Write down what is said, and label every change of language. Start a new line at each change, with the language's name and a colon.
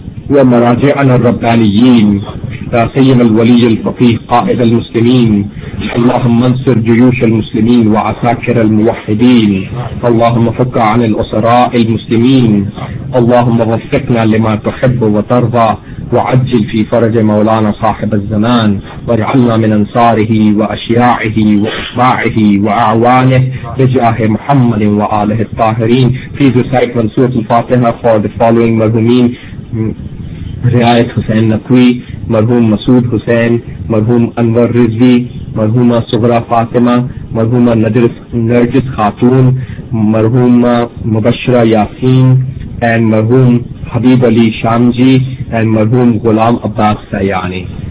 Arabic: ومراجعنا الربانيين لا سيما الولي الفقيه قائد المسلمين اللهم انصر جيوش المسلمين وعساكر الموحدين اللهم فك عن الأسراء المسلمين اللهم وفقنا لما تحب وترضى وعجل في فرج مولانا صاحب الزمان واجعلنا من أنصاره وأشياعه وأتباعه وأعوانه بجاه محمد وآله الطاهرين.
English: Please recite
Arabic: من سورة الفاتحة
English: for the following مرهومين: Riayat Hussain Naqvi, Marhum Masood Hussain, Marhum Anwar Rizvi, Marhuma Sughra Fatima, Marhuma Nargis Khatun, مرحوم Mubashira Yasin and مرحوم Habib Ali Sham ji and مرحوم غلام عباس سیانی.